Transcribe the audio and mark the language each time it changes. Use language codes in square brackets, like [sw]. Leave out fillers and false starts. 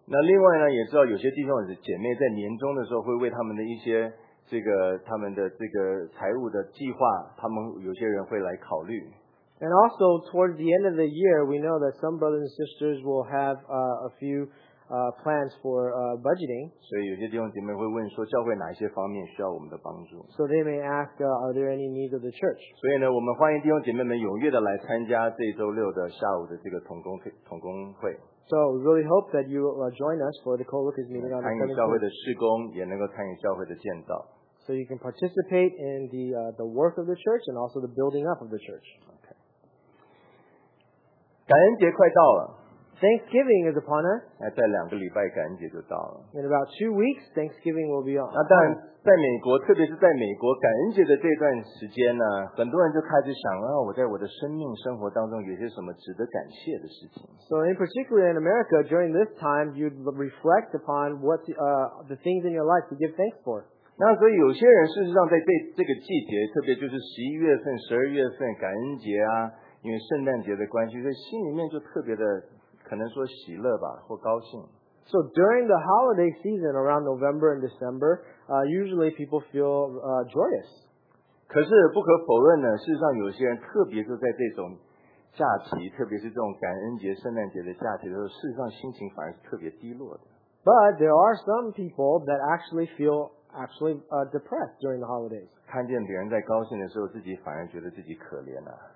[zh] 那另外呢，也知道有些弟兄姐妹在年终的时候会为他们的一些这个他们的这个财务的计划，他们有些人会来考虑。 [en] And also towards the end of the year, we know that some brothers and sisters will have a few plans for budgeting. [zh] 所以有些弟兄姐妹会问说，教会哪一些方面需要我们的帮助 [en] ？So they may ask, are there any needs of the church? [zh] 所以呢，我们欢迎弟兄姐妹们踊跃的来参加这周六的下午的这个同工会。 [en] So we really hope that you will join us for the co-workers meeting on the [zh] 参与教会的事工，也能够参与教会的建造。 [en] So you can participate in the work of the church and also the building up of the church. Okay. [zh] 感恩节快到了。 [en] Thanksgiving is upon us. [zh] 在两个礼拜感恩节就到了。 [en] In about 2 weeks, Thanksgiving will be on. [zh] 那当然，在美国，特别是在美国，感恩节的这段时间呢，很多人就开始想啊，我在我的生命生活当中有些什么值得感谢的事情。 [en] So in particular in America during this time, you'd reflect upon what the things in your life to give thanks for. [zh] 那所以有些人事实上在这个季节，特别就是十一月份、十二月份感恩节啊，因为圣诞节的关系，所以心里面就特别的。可能说喜乐吧，或高兴。 [en] So during the holiday season around November and December, usually people feel joyous. [zh] 可是不可否认呢，事实上有些人特别就在这种假期，特别是这种感恩节、圣诞节的假期的时候，事实上心情反而是特别低落的。 [en] But there are some people that actually feel depressed during the holidays. [zh] 看见别人在高兴的时候，自己反而觉得自己可怜了。